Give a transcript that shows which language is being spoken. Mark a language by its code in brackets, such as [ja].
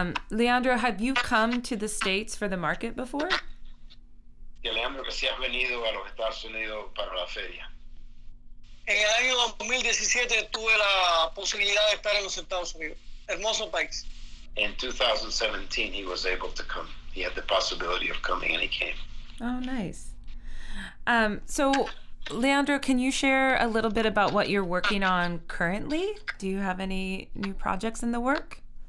[en] Leandro, have you come to the States for the market before? [es] Leandro, que si has venido a los Estados Unidos para la feria. En el año 2017 tuve la posibilidad de estar en los Estados Unidos. Hermoso país. [en] In 2017 he was able to come. He had the possibility of coming and he came. Oh, nice. So Leandro, can you share a little bit about what you're working on currently? Do you have any new projects in the work?